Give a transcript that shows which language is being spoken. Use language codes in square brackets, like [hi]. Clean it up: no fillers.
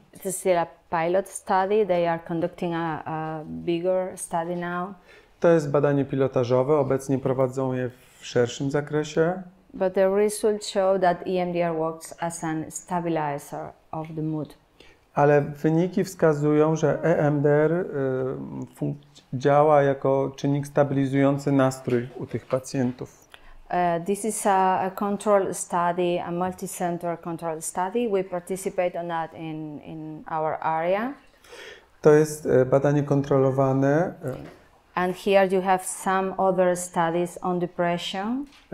[pl] To jest [en] still a pilot study. They are conducting a bigger study now. [pl] To jest badanie pilotażowe. Obecnie prowadzą je w szerszym zakresie. [en] But the results show that EMDR works as a stabilizer of the mood. [pl] Ale wyniki wskazują, że EMDR działa jako czynnik stabilizujący nastrój u tych pacjentów. [en] This is a control study, a multicenter control study. We participate on that in our area. [pl] To jest badanie kontrolowane. [en] And here you have some other studies on depression.